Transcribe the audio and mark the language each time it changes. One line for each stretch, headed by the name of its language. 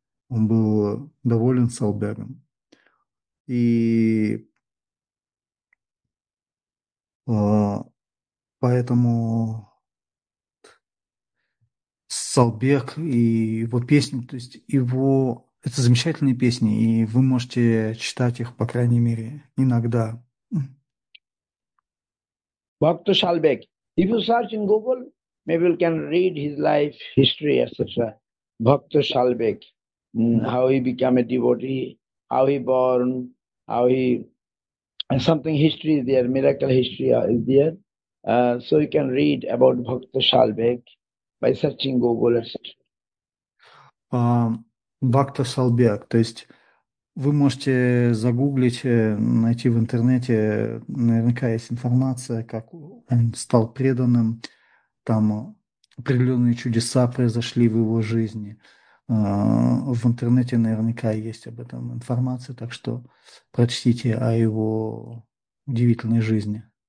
Russian: Он был доволен Салбегом. И поэтому Салбег и его песни, то есть его это замечательные песни, и вы можете читать их, по крайней мере, иногда.
English: Bhakta Shalbeg. If you search in Google, maybe you can read his life, history, etc. Bhakta Shalbeg, how he became a devotee, how he born, how he something history is there, miracle history is there. So you can read about Bhakta Shalbeg by searching Google, etc.
Russian: Бхакта Салбег. То есть вы можете загуглить, найти в интернете, наверняка есть информация, как он стал преданным, там определенные чудеса произошли в его жизни. В интернете наверняка есть об этом информация, так что прочтите о его удивительной жизни.